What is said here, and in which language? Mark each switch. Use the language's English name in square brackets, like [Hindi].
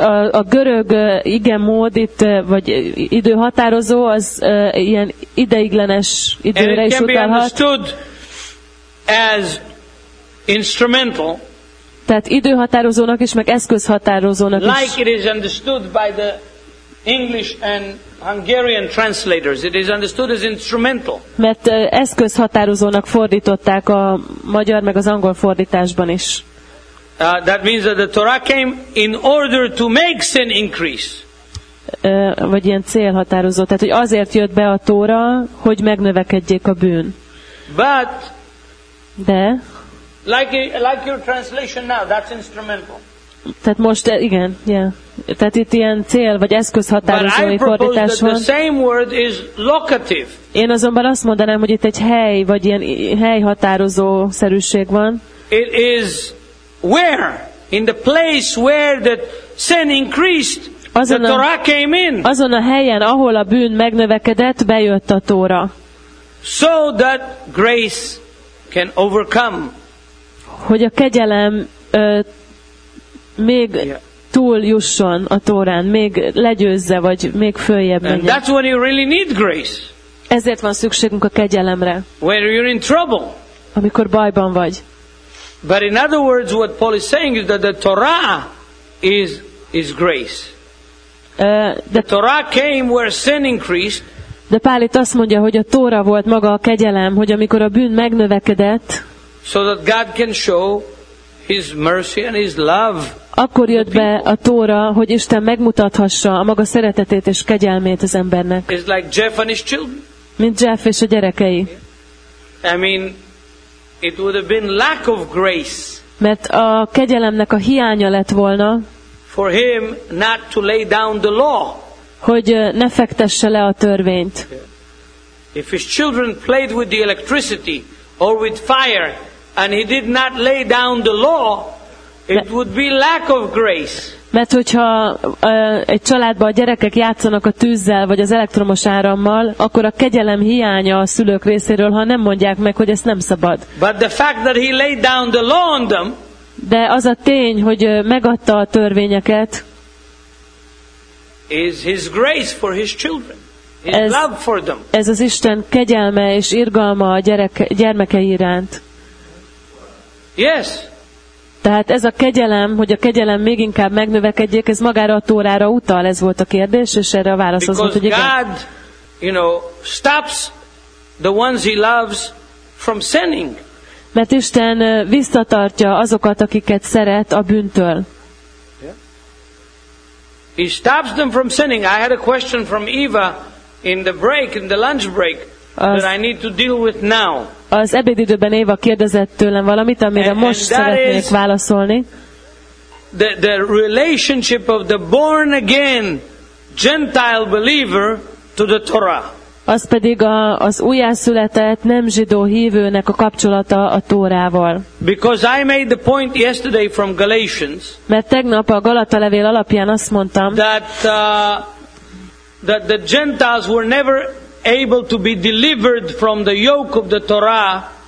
[Hungarian] A görög igen mód itt vagy időhatározó az ilyen ideiglenes időre is utalhat. [English] And it can be understood as instrumental. [Hungarian] Tehát időhatározónak is meg eszközhatározónak is. [English] Like it is understood by the English and Hungarian translators, it is understood as instrumental. [Hungarian] Mert eszközhatározónak fordították a magyar meg az angol fordításban is. [English] That means that the Torah came in order to make sin increase. [Hungarian] Vagy ilyen célhatározó, tehát hogy azért jött be a Tóra, hogy megnövekedjék a bűn. [English] But [Hungarian] de [English] Like your translation now, that's instrumental. [Hungarian] Tehát most igen, yeah. Tehát itt ilyen cél vagy eszközhatározói fordítás van. [English] The same word is locative. [Hungarian] Én azonban azt mondanám, hogy itt egy hely vagy ilyen helyhatározó szerűség van. [English] It is where in the place where the sin increased. [Hungarian] Azon a, [English] the Torah came in. [Hungarian] Azon a helyen, ahol a bűn megnövekedett, bejött a Tóra. [English] So that grace can overcome. [Hungarian] Hogy a kegyelem még túl jusson a Tórán, még legyőzze, vagy még följebb menjen. [English] And that's when you really need grace. [Hungarian] Ezért van szükségünk a kegyelemre. [English] When you're in trouble. [Hungarian] Amikor bajban vagy. [English] But in other words, what Paul is saying is that the Torah is grace. The Torah came where sin increased. [Hungarian] De Pál itt azt mondja, hogy a Tóra volt maga a kegyelem, hogy amikor a bűn megnövekedett, [English] so that God can show His mercy and His love. [Hungarian] Akkor jött be a Tóra, hogy Isten megmutathassa a maga szeretetét és kegyelmét az embernek. [English] It's like Jeff and his children. [Hungarian] Mint Jeff és a gyerekei. [English] I mean, it would have been lack of grace. [Hungarian] Mert a kegyelemnek a hiánya lett volna. [English] For him not to lay down the law. [Hungarian] Hogy ne fektesse le a törvényt. [English] If his children played with the electricity or with fire and he did not lay down the law, it would be lack of grace. [Hungarian] Mert hogyha egy családban a gyerekek játszanak a tűzzel vagy az elektromos árammal, akkor a kegyelem hiánya a szülők részéről, ha nem mondják meg, hogy ezt nem szabad. [English] But the fact that he laid down the law on them. [Hungarian] De az a tény, hogy megadta a törvényeket, [English] is his grace for his children, his love for them. [Hungarian] Ez az Isten kegyelme és irgalma a gyermekei iránt. [English] Yes. [Hungarian] Tehát ez a kegyelem, hogy a kegyelem még inkább megnövekedjék, ez magára a Tórára utal, ez volt a kérdés, és erre a válasz az volt, hogy igen. [English] Because God, you know, stops the ones he loves from sinning. [Hungarian] Mert Isten visszatartja azokat, akiket szeret a bűntől. [English] He stops them from sinning. I had a question from Eva in the break, in the lunch break, that I need to deal with now. [Hungarian] Az ebédidőben Eva kérdezett tőlem valamit, amire most szeretnék válaszolni. [English] The relationship of the born again Gentile believer to the Torah. [Hungarian] Az pedig az újjászületett nem zsidó hívőnek a kapcsolata a Tórával. [English] Because I made the point yesterday from Galatians. [Hungarian] Mert tegnap a Galata levél alapján azt mondtam, [English] that the Gentiles were never able to be delivered from the yoke of the Torah.